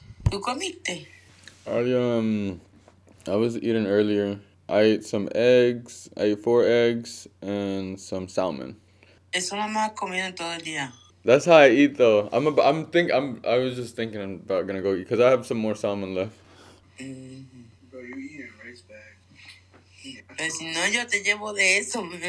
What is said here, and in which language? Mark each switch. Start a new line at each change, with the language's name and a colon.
Spanish: ¿Tú comiste?
English: I was eating earlier. I ate some eggs. I ate 4 eggs and some salmon.
Spanish: Eso no me has comido todo el día.
English: That's how I eat though. I was just thinking I'm about gonna go eat because I have some more salmon left. Bro, you eating rice
Spanish: bag? Pero si no, yo te llevo de eso.